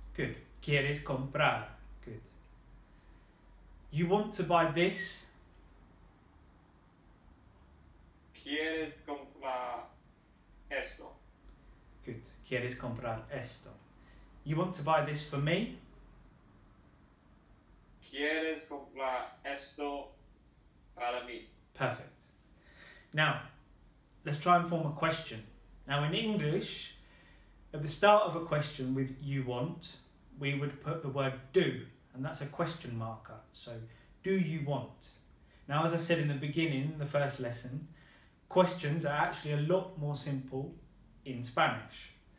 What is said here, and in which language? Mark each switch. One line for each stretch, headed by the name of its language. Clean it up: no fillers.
English: Good.
Spanish: Quieres comprar.
English: Good. You want to buy this?
Spanish: Quieres comprar esto.
English: Good.
Spanish: Quieres comprar esto.
English: You want to buy this for me?
Spanish: Quieres comprar esto para mí.
English: Perfect. Now, let's try and form a question. Now in English, at the start of a question with you want, we would put the word do, and that's a question marker. So, do you want? Now as I said in the beginning, the first lesson, questions are actually a lot more simple in Spanish.